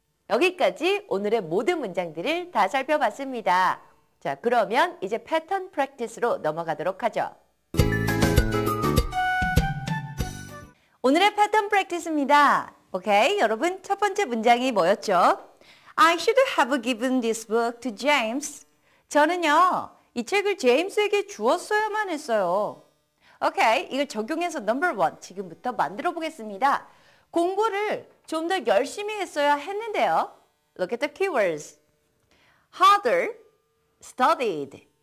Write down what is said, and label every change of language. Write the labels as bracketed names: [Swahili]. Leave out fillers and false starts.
[Korean] 여기까지 오늘의 모든 문장들을 다 살펴봤습니다. 자, 그러면 이제 패턴 프랙티스로 넘어가도록 하죠. 오늘의 패턴 프랙티스입니다. 오케이, 여러분 첫 번째 문장이 뭐였죠? [English] I should have given this book to James. [Korean] 저는요, 이 책을 제임스에게 주었어야만 했어요. 오케이, 이걸 적용해서 number one, 지금부터 만들어 보겠습니다. 공부를 좀 더 열심히 했어야 했는데요. [English] Look at the keywords. Harder, studied.